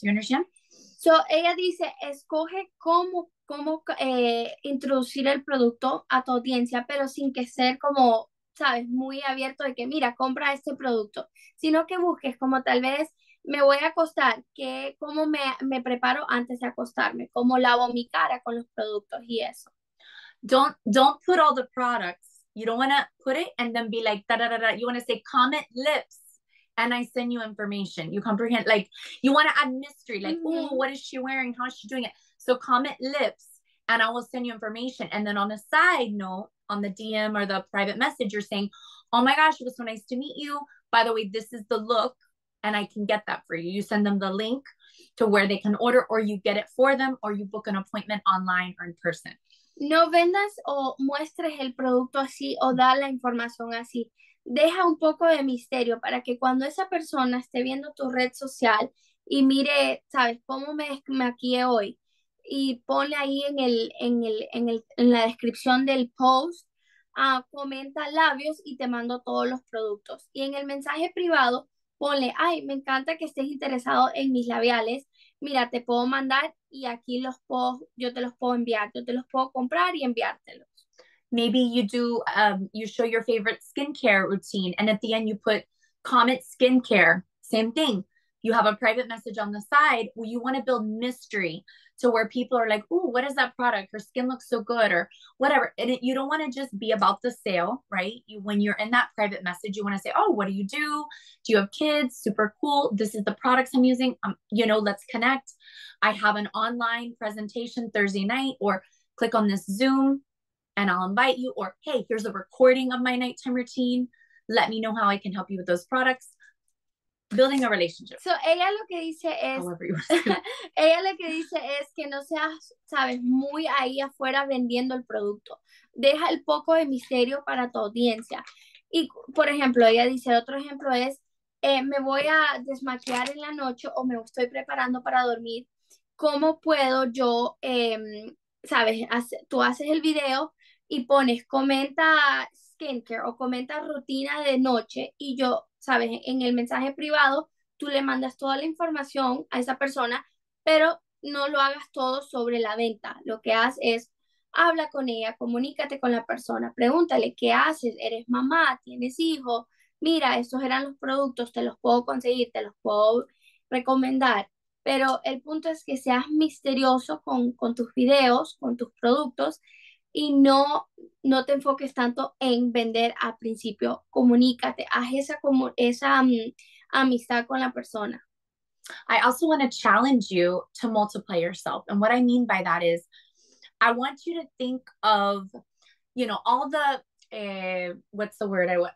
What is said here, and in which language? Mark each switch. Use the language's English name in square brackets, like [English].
[English] You understand? [Spanish] So ella dice, escoge cómo introducir el producto a tu audiencia, pero sin que ser como, sabes, muy abierto de que mira, compra este producto, sino que busques como tal vez me voy a acostar, que cómo me preparo antes de acostarme, cómo lavo mi cara con los productos y eso. [English] Don't put all the products. You don't want to put it and then be like, da, da, da, da. You want to say, comment lips and I send you information. You comprehend? Like, you want to add mystery. Like, mm-hmm. Oh, what is she wearing? How is she doing it? So comment lips and I will send you information. And then on a side note, on the DM or the private message, you're saying, oh my gosh, it was so nice to meet you. By the way, this is the look and I can get that for you. You send them the link to where they can order, or you get it for them, or you book an appointment online or in person. [Spanish] No vendas o muestres el producto así o da la información así. Deja un poco de misterio para que cuando esa persona esté viendo tu red social y mire, ¿sabes cómo me maquillé hoy? Y ponle ahí en la descripción del post, comenta labios y te mando todos los productos. Y en el mensaje privado ponle, ay, me encanta que estés interesado en mis labiales. Mira, te puedo mandar y aquí los puedo, yo te los puedo enviar, yo te los puedo comprar y enviártelos. [English] Maybe you do, you show your favorite skincare routine and at the end you put comment skincare, same thing. You have a private message on the side where you want to build mystery to where people are like, ooh, what is that product? Her skin looks so good or whatever. And you don't want to just be about the sale, right? When you're in that private message, you want to say, oh, what do? Do you have kids? Super cool. This is the products I'm using. You know, let's connect. I have an online presentation Thursday night, or click on this Zoom and I'll invite you. Or, hey, here's a recording of my nighttime routine. Let me know how I can help you with those products. Building a relationship. [Spanish] So ella lo que dice es, ella lo que dice es que no seas, sabes, muy ahí afuera vendiendo el producto. Deja el poco de misterio para tu audiencia. Y por ejemplo, ella dice, otro ejemplo es, me voy a desmaquillar en la noche o me estoy preparando para dormir. ¿Cómo puedo yo, sabes, tú haces el video y pones, comenta skincare o comenta rutina de noche y yo, sabes, en el mensaje privado, tú le mandas toda la información a esa persona, pero no lo hagas todo sobre la venta. Lo que haces es, habla con ella, comunícate con la persona, pregúntale, ¿qué haces? ¿Eres mamá? ¿Tienes hijo? Mira, estos eran los productos, te los puedo conseguir, te los puedo recomendar. Pero el punto es que seas misterioso con tus videos, con tus productos, y no te enfoques tanto en vender al principio. Comunícate, haz esa amistad con la persona. [English] I also want to challenge you to multiply yourself. And what I mean by that is, I want you to think of, you know, all the, what's the word?